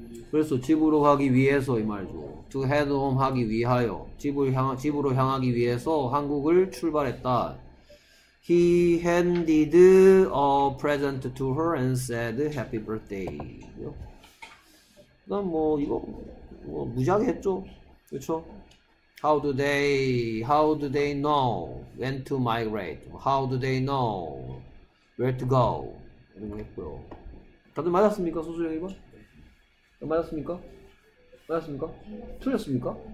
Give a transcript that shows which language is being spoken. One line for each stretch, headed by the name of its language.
Korean: 그래서 집으로 가기 위해서 이 말이죠.
English: To head home
Korean: 하기 위하여. 집으로 향하기 위해서 한국을 출발했다.
English: He handed a present to her and said happy birthday.
Korean: 난뭐 이거 뭐 무지하게 했죠. 그렇죠?
English: How do they know when to migrate? How do they know where to go?
Korean: 이런 거 했고요. 다들 맞았습니까? 소수령 이거? 맞았습니까? 맞았습니까? 틀렸습니까?